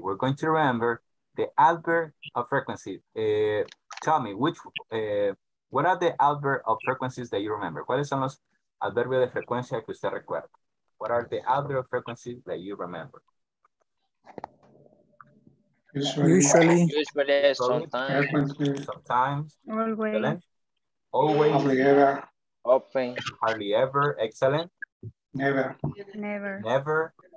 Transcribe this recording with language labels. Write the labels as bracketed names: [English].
[English] We're going to remember the adverb of frequency. Tell me, what are the adverb of frequencies that you remember? [Spanish] ¿Cuáles son los adverbios de frecuencia que usted recuerda? [English] What are the adverb of frequencies that you remember? Usually. Sometimes. Excellent. Always. Hardly ever. Open. Hardly ever. Excellent. Never.